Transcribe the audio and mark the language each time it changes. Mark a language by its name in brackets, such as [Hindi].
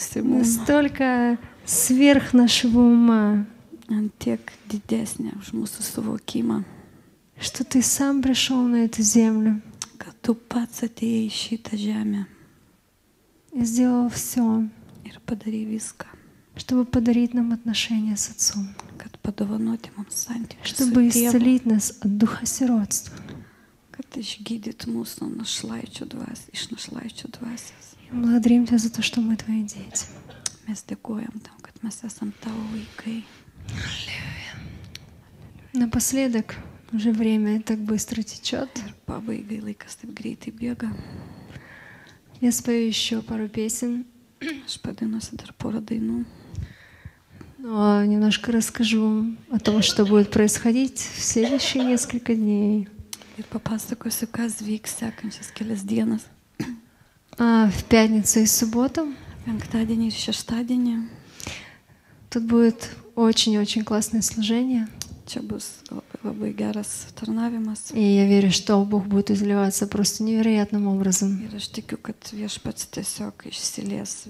[Russian] Настолько сверх нашего ума. [Lithuanian] ant tiek didesnė už mūsų suvokimą. [Russian] Что ты сам пришел на эту землю. [Lithuanian] Kad tu pats atėjai į šitą žemę. [Russian] И сделал все. [Lithuanian] Ir padarė viską. [Russian] Чтобы подарить нам отношения с Отцом. [Lithuanian] Kad padovanoti mums santykius [Russian] su Чтобы исцелить нас от духа сиротства. [Lithuanian] Kad išgydyt mūsų našlaičių dvasį, iš našlaičių dvasės. [Russian] Ir благодарим тебя за то, что мы твои дети. [Lithuanian] Mes dėkojam tam, kad mes esam tavo vaikai. [Russian] Аллилуйя. Напоследок, уже время так быстро течет. [Lithuanian] Ir pabaigai laikas taip greitai bėga. [Russian] Я спою еще пару песен. [Lithuanian] Aš padainuosiu dar porą dainų. [Russian] Но немножко расскажу о том, что будет происходить в следующие несколько дней. [Lithuanian] Ir papasakosiu, kas vyks sekančias kelias dienas. [Russian] В пятницу и субботу. [Lithuanian] Penktadienį ir šeštadienį. [Russian] Тут будет очень-очень классное служение. [Lithuanian] Čia bus labai, labai geras tarnavimas. [Russian] И я верю, что Бог будет изливаться просто невероятным образом. [Lithuanian] Ir aš tikiu, kad viešpats tiesiog išsilės